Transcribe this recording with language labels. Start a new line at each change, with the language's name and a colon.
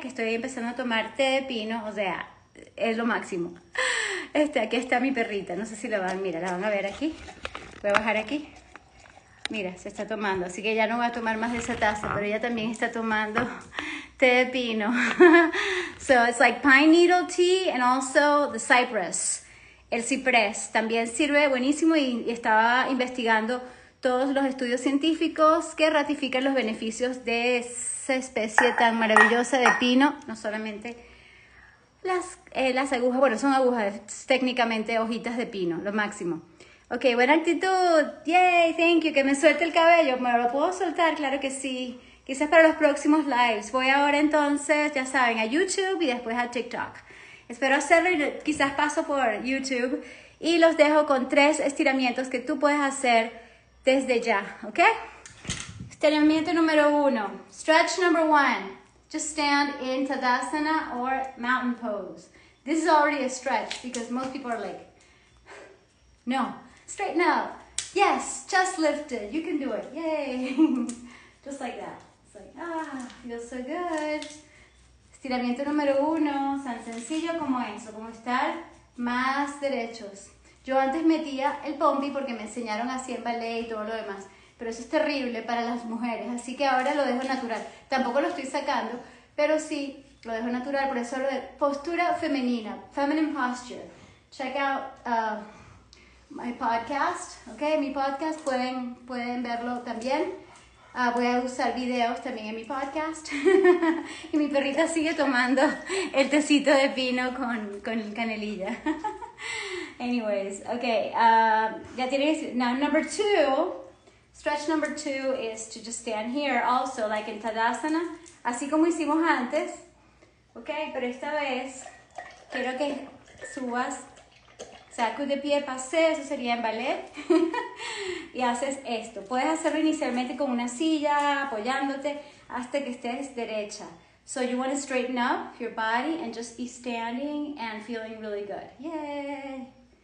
Spanish: Que estoy empezando a tomar té de pino, o sea, es lo máximo. Aquí está mi perrita, no sé si la van, mira, la van a ver aquí. Voy a bajar aquí. Mira, se está tomando, así que ya no voy a tomar más de esa taza, pero ella también está tomando té de pino.
English: So, it's like pine needle tea and also the cypress.
Spanish: El ciprés también sirve buenísimo y estaba investigando todos los estudios científicos que ratifican los beneficios de esa especie tan maravillosa de pino, no solamente las agujas, bueno, son agujas, técnicamente hojitas de pino, lo máximo. Ok, buena actitud, yay,
English: thank you,
Spanish: que me suelte el cabello, ¿me lo puedo soltar? Claro que sí, quizás para los próximos lives. Voy ahora entonces, ya saben, a YouTube y después a TikTok. Espero hacerlo y quizás paso por YouTube y los dejo con tres estiramientos que tú puedes hacer desde ya, ¿ok? Estiramiento número uno,
English: stretch number one, just stand in Tadasana or mountain pose. This is already a stretch because most people are like, no, straighten up. Yes, chest lifted, you can do it, yay. Just like that, it's like, feels so good.
Spanish: Estiramiento número uno, tan sencillo como eso, como estar más derechos. Yo antes metía el pompi porque me enseñaron así en ballet y todo lo demás, pero eso es terrible para las mujeres, así que ahora lo dejo natural. Tampoco lo estoy sacando, pero sí, lo dejo natural, por eso lo de postura femenina,
English: feminine posture. Check out my podcast, ok,
Spanish: mi podcast, pueden verlo también. Voy a usar videos también en mi podcast. Y mi perrita sigue tomando el tecito de pino con canelilla. Anyways, okay, ya tienes,
English: now number two, stretch number two is to just stand here also, like in Tadasana,
Spanish: así como hicimos antes, okay, pero esta vez quiero que subas, saco de pie, pase, eso sería en ballet, y haces esto, puedes hacerlo inicialmente con una silla, apoyándote, hasta que estés derecha.
English: So you want to straighten up your body and just be standing and feeling really good, yay!